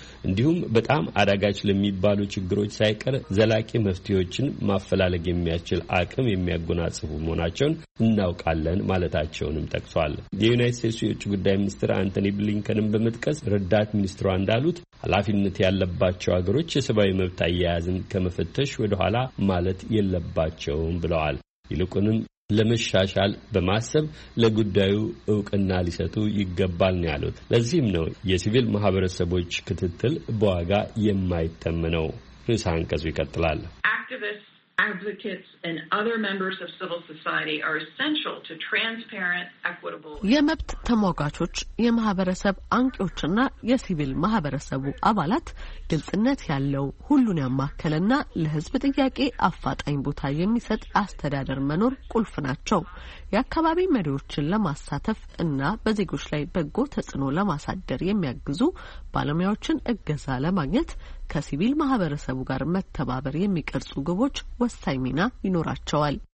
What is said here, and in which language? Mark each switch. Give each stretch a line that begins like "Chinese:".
Amharic: እንዲሁም በጣም አዳጋች ለሚባሉ ችግሮች ሳይቀር ዘላቂ መፍትሄዎችን ማፈላለግ የሚያስችል አቅም የሚያጎናጽፉ መሆናቸውን እናውቃለን ማለታቸውንም ጠቅሷል። የዩናይትድ ስቴትስ የውጭ ጉዳይ ሚኒስትር አንቶኒ ብሊንከንን በመጥቀስ ረዳት ሚኒስትሯ እንዳሉት ኃላፊነት ያለባቸው አገሮች የሰብአዊ መብት አያያዝን ከመፈተሽ ወደኋላ ማለት የለባቸውም ብለዋል። ይልቁንም ለመሻሻል በማሰብ ለጉዳዩ እውቅና ሊሰጡ ይገባል ነው ያሉት። ለዚህም ነው የሲቪል ማህበረሰቦች ክትትል በዋጋ የማይተመነው። ርዕሰ አንቀጹ ይቀጥላል።
English: Activists advocates and other members of civil society are essential to transparent, equitable.
Amharic: የመብት ተሟጋቾች የማህበረሰብ አንቂዎችና የሲቪል ማህበረሰቡ አባላት ግልጽነት ያለው ሁሉን ያማከለና ለህዝብ ጥያቄ አፋጣኝ ቦታ የሚሰጥ አስተዳደር መኖር ቁልፍ ናቸው። የአካባቢ መሪዎችን ለማሳተፍ እና በዜጎች ላይ በጎ ተጽዕኖ ለማሳደር የሚያግዙ ባለሙያዎችን እገዛ ለማግኘት ከሲቪል ማህበረሰቡ ጋር መተባበር የሚቀርጹ ግቦች ወሳኝ ሚና ይኖራቸዋል።